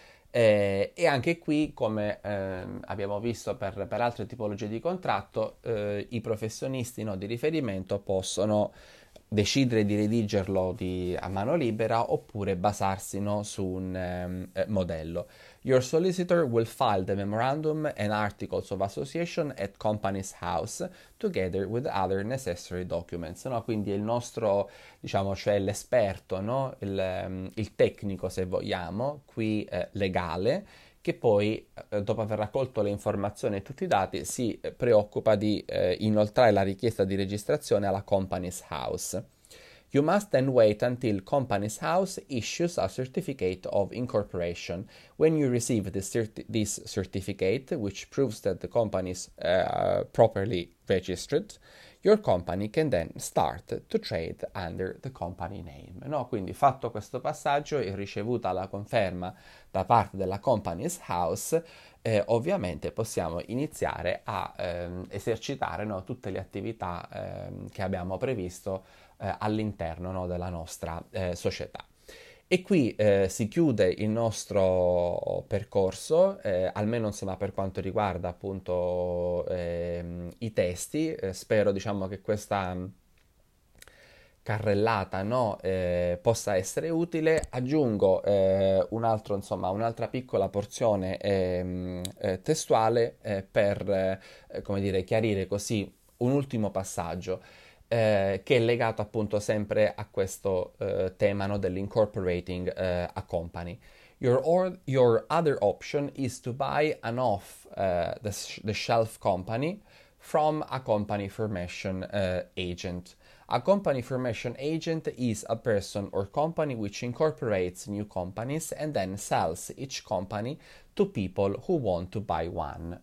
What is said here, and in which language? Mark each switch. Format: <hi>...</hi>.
<it>E anche qui, come abbiamo visto per altre tipologie di contratto, i professionisti, no, di riferimento possono decidere di redigerlo a mano libera oppure basarsi, no, su un modello.</it> <en>Your solicitor will file the memorandum and articles of association at company's house together with other necessary documents.</en> <it>No, quindi il nostro, diciamo, cioè l'esperto, no? Il tecnico, se vogliamo, qui legale. Che poi, dopo aver raccolto le informazioni e tutti i dati, si preoccupa di inoltrare la richiesta di registrazione alla Company's House.</it> <en>You must then wait until Company's House issues a certificate of incorporation. When you receive this certificate, which proves that the company is properly registered, your company can then start to trade under the company name.</en> <it>No? Quindi, fatto questo passaggio e ricevuta la conferma da parte della Company's House, ovviamente possiamo iniziare a esercitare, no, tutte le attività che abbiamo previsto all'interno, no, della nostra società. E qui si chiude il nostro percorso, almeno insomma per quanto riguarda appunto i testi. Spero diciamo che questa carrellata, no, possa essere utile. Aggiungo un altro, insomma, un'altra piccola porzione testuale per come dire, chiarire così un ultimo passaggio. Che è legato appunto sempre a questo tema, no, dell'</it> <en>incorporating a company. Your other option is to buy an off the shelf company from a company formation agent. A company formation agent is a person or company which incorporates new companies and then sells each company to people who want to buy one.</en>